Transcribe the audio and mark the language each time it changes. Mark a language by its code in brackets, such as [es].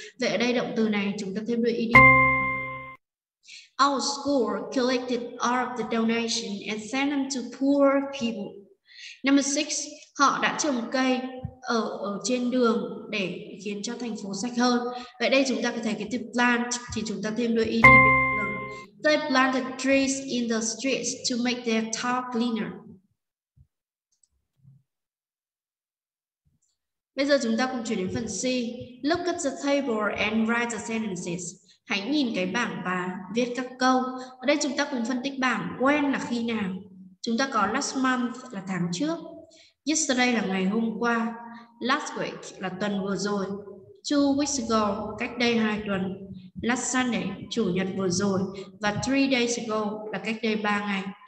[vi] Vậy ở đây động từ này chúng ta thêm đuôi đi. [en] Our school collected all of the donations and sent them to poor people. [vi] Number 6, họ đã trồng cây ở trên đường để khiến cho thành phố sạch hơn. Vậy đây chúng ta có thể cái từ plant thì chúng ta thêm đuôi ed. [en] They planted trees in the streets to make their town cleaner. [vi] Bây giờ chúng ta cùng chuyển đến phần C. [en] Look at the table and write the sentences. [vi] Hãy nhìn cái bảng và viết các câu. Ở đây chúng ta cùng phân tích bảng when là khi nào. Chúng ta có last month là tháng trước. Yesterday là ngày hôm qua. Last week là tuần vừa rồi. 2 weeks ago, cách đây 2 tuần. Last Sunday, chủ nhật vừa rồi. Và 3 days ago là cách đây 3 ngày.